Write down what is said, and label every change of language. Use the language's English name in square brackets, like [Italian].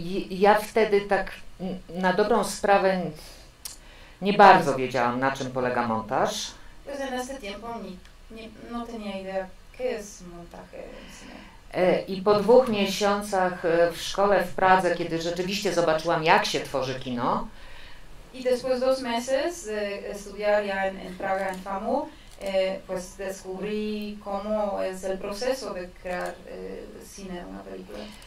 [Polish] Ja wtedy tak na dobrą sprawę nie bardzo wiedziałam, na czym polega montaż. [Spanish] Pues en este tiempo no tenía idea qué es montaje. [Polish] I po dwóch miesiącach w szkole w Pradze, kiedy rzeczywiście zobaczyłam, jak się tworzy kino. [Spanish] I después dos meses estudiar ya en Praga en FAMU, pues descubrí cómo es el proceso de crear cine, una película.